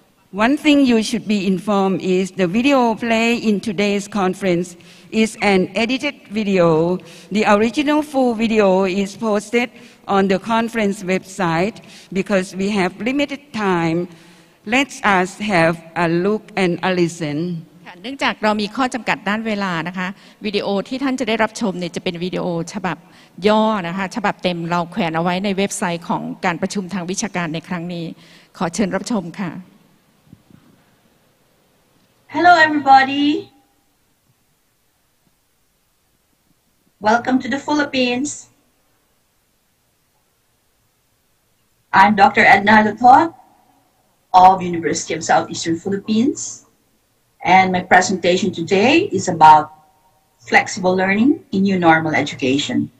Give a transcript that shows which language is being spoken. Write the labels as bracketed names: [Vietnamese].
[English] One thing you should be informed is the video play in today's conference is an edited video. The original full video is posted on the conference website because we have limited time. Let us have a look and a listen. [Thai] เนื่องจากเรามีข้อจำกัดด้านเวลานะคะวิดีโอที่ท่านจะได้รับชมเนี่ยจะเป็นวิดีโอฉบับย่อนะคะฉบับเต็มเราแขวนเอาไว้ในเว็บไซต์ของการประชุมทางวิชาการในครั้งนี้ขอเชิญรับชมค่ะ [English] Hello everybody Welcome to the Philippines I'm Dr. Edna Lathot of University of Southeastern PhilippinesAnd my presentation today is about flexible learning in new normal education.